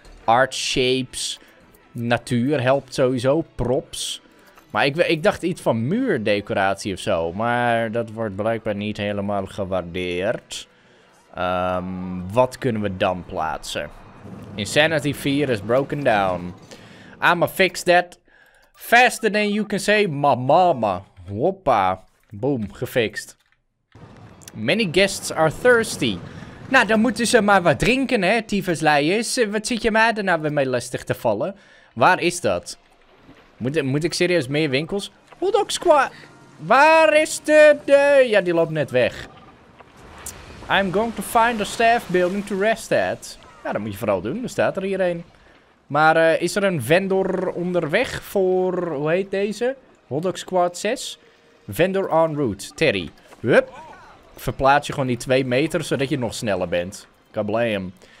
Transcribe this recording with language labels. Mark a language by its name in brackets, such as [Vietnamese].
[English] Art shapes. [Dutch] Natuur helpt sowieso. Props. Maar ik dacht iets van muurdecoratie of zo. Maar dat wordt blijkbaar niet helemaal gewaardeerd. Wat kunnen we dan plaatsen? [English] Insanity 4 is broken down. I'ma fix that faster than you can say my mama. [Dutch] Hoppa. Boom, gefixt. [English] Many guests are thirsty. [Dutch] Nou, dan moeten ze maar wat drinken, hè, tyfusleiers. Wat zit je mij er nou weer mee lastig te vallen? Waar is dat? Moet ik serieus meer winkels? Hotdog Squad. Waar is de... Ja, die loopt net weg. [English] I'm going to find a staff building to rest at. [Dutch] Ja, dat moet je vooral doen. Er staat er hier een. Maar is er een vendor onderweg voor... Hoe heet deze? Hotdog Squad 6. Vendor en route. Terry. Hup. Ik verplaats je gewoon die 2 meter, zodat je nog sneller bent. Kablam.